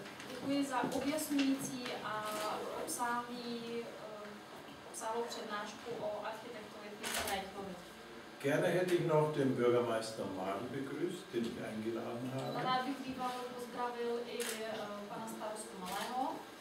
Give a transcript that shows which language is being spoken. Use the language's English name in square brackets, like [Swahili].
[Czech] Děkuji za objasňující a obsáhlou přednášku o architektovi Fritz Reichlovi. [German] Gerne hätte ich noch den Bürgermeister Marl begrüßt, den ich eingeladen habe. [Czech] Rád bych býval pozdravil i pana starostu Malého.